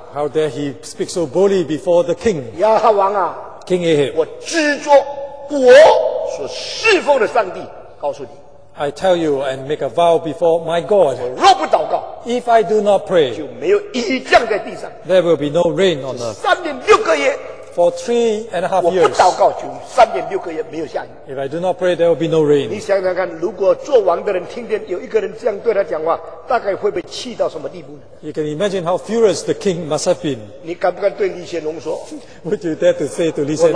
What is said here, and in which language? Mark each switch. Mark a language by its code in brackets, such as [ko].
[en] How dare he speak so boldly before the king? [zh] 亚哈王啊， [en] King Ahab, [zh] 我执着我所侍奉的上帝告诉你， [en] I tell you and make a vow before my God, [zh] 我若不祷告， [en] if I do not pray, [zh] 就没有雨降在地上， [en] there will be no rain on earth. [zh] 三年六个月， [en] For 3.5 years. [zh] 我不祷告，3.6个月没有下雨。 [en] If I do not pray, there will be no rain. [zh] 你想想看，如果做王的人听见有一个人这样对他讲话，大概会被气到什么地步呢？ [en] You can imagine how furious the king must have been. [zh] 你敢不敢对李显龙说？ [en] Would you dare to say to Li Xianlong?